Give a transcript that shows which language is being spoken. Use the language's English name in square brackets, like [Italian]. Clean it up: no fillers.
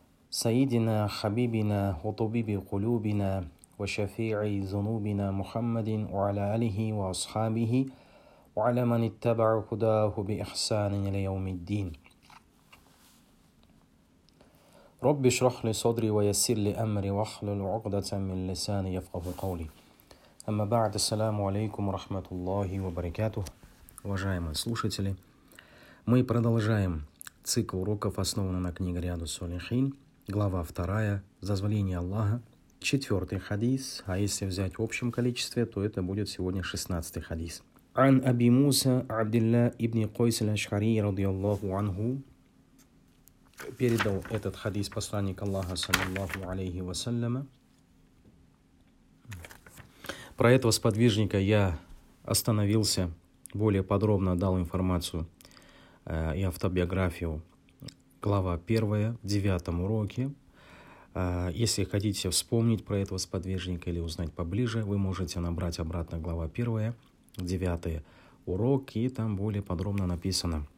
[Arabic] سيدنا حبيبنا وطبيب قلوبنا وشفيع ذنوبنا محمد وعلى آله وأصحابه وعلى من اتبع هداه بإحسان إلى يوم الدين. رب اشرح لي صدري ويسر لي امري واحلل عقدة من لساني يفقهوا قولي. اما بعد, السلام عليكم ورحمه الله وبركاته. [Russian] уважаемые слушатели, мы продолжаем цикл уроков, основанный на книге Риаду Салихин, глава 2, зазволение Аллаха, 4 хадис, а если взять в общем количестве, то это будет сегодня 16 хадис. [Arabic] عن ابي موسى عبد الله ابن قيس الاشعري رضي الله عنه [Russian] передал этот хадис посланник Аллаха, [Arabic] саллаллаху алейхи вассаляма. [Russian] Про этого сподвижника я остановился, более подробно дал информацию и автобиографию. Глава 1, в 9 уроке. Если хотите вспомнить про этого сподвижника или узнать поближе, вы можете набрать обратно глава 1, 9 урок, и там более подробно написано.